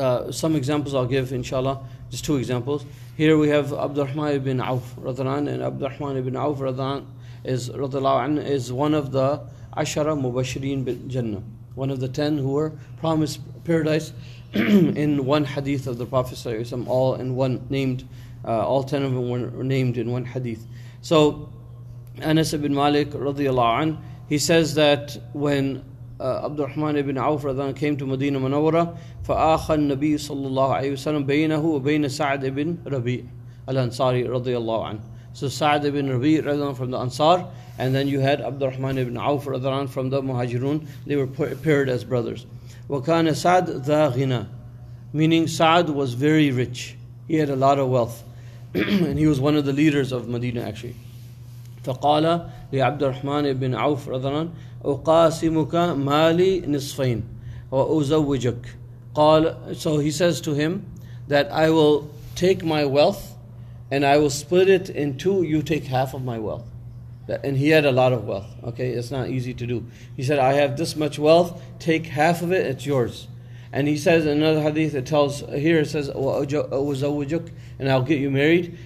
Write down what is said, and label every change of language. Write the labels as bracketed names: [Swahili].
[English] Some examples I'll give, inshallah, just two examples. Here we have Abdurrahman ibn Auf, radhan, and Abdurrahman ibn Auf, radhan, is one of the Ashara Mubashirin bin Jannah, one of the 10 who were promised paradise in one hadith of the Prophet, all in one named, all 10 of them were named in one hadith. So Anas ibn Malik radiallahu anhu, he says that when Abdul Rahman ibn Auf came to Medina Munawwara, [Arabic] فَآخَ النَّبِيُّ صَلَّى اللَّهُ عَلَيْهِ وَسَلَّمَ بَيْنَهُ وَبَيْنَ سَعْدِ ibn Rabi' al-Ansari رضي الله عنه. [English] So Sa'd ibn Rabi' from the Ansar, and then you had Abdul Rahman ibn Auf from the Muhajirun. They were paired as brothers. [Arabic] وَكَانَ سَعْد ذَا غِنَى, [English] meaning Sa'd was very rich. He had a lot of wealth. And he was one of the leaders of Medina actually. [Arabic] فقال لعبد الرحمن بن عوف رضي الله عنه أقاسمك مالي نصفين وأزوجك. قال, [English] so he says to him that I will take my wealth and I will split it in two. You take half of my wealth. And he had a lot of wealth. Okay, it's not easy to do. He said, I have this much wealth. Take half of it. It's yours. And he says in another hadith, it tells here, it says, [Arabic] وَزَوَّجُكْ, [English] and I'll get you married.